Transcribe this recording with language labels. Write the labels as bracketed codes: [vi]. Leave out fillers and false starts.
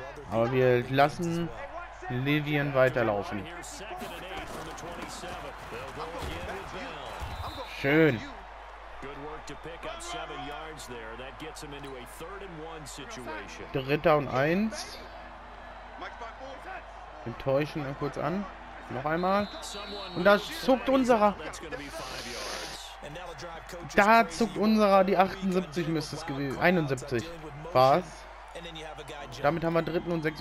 [de] Aber wir lassen Livian weiterlaufen. Schön. [en] Good work to pick up 7 yards there. That gets him into a 3rd and 1 situation. [de] Dritter und 1. Wir täuschen ihn kurz an. Noch einmal. Und da zuckt unserer. Da zuckt unserer. Die 78 müsste es gewesen. 71. Was? Damit haben wir 3rd und 6.